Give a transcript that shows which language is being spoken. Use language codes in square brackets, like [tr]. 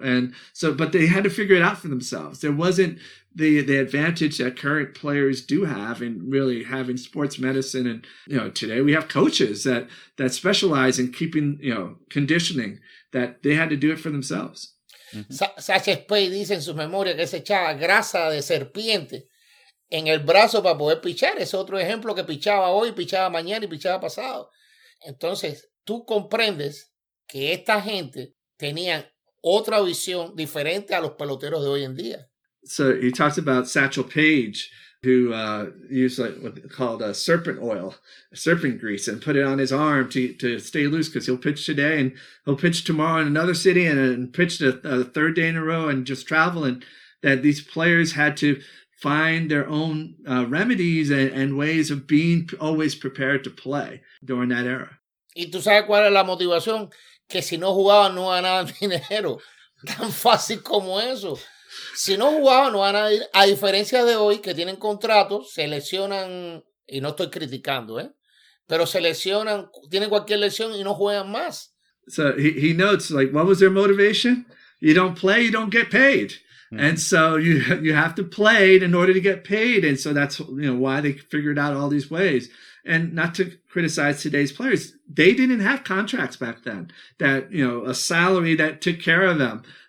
[en] And so, but they had to figure it out for themselves. There wasn't the advantage that current players do have in really having sports medicine. And, today we have coaches that specialize in keeping, conditioning, that they had to do it for themselves. Mm-hmm. [es] Sacha Spey dice en su memoria que se echaba grasa de serpiente en el brazo para poder pichar. Es otro ejemplo, que pichaba hoy, pichaba mañana y pichaba pasado. Entonces, tú comprendes que esta gente tenía otra visión diferente a los peloteros de hoy en día. [en] So he talks about Satchel Paige, who used what they called serpent grease, and put it on his arm to stay loose, because he'll pitch today and he'll pitch tomorrow in another city and pitch the third day in a row and just travel. And that these players had to find their own remedies and ways of being always prepared to play during that era. [es] ¿Y tú sabes cuál es la motivación? Que si no jugaban, no ganaban dinero. Tan fácil como eso. Si no jugaban, no van a ir, a diferencia de hoy, que tienen contratos, se lesionan, y no estoy criticando, pero se lesionan, tienen cualquier lesión y no juegan más. [en] So he notes, what was their motivation? You don't play, you don't get paid. Mm-hmm. And so you have to play in order to get paid. And so that's, why they figured out all these ways. And not to criticize today's players, they didn't have contracts back then, that, a salary that took care of them.